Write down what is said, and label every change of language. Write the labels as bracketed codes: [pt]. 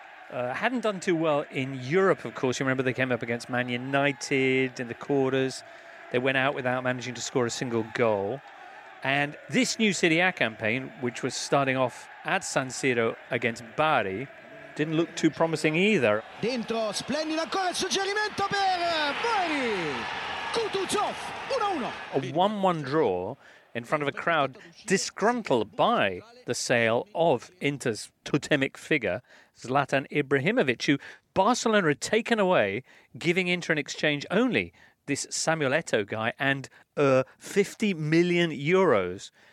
[en] Hadn't done too well in Europe, of course. You remember they came up against Man United in the quarters. They went out without managing to score a single goal. And this new Serie A campaign, which was starting off at San Siro against Bari, didn't look too promising either. [it] Dentro, splendido ancora il suggerimento per Bari! [en] A 1-1 draw in front of a crowd disgruntled by the sale of Inter's totemic figure, Zlatan Ibrahimovic, who Barcelona had taken away, giving Inter in exchange only this Samuel Eto'o guy and 50 million euros.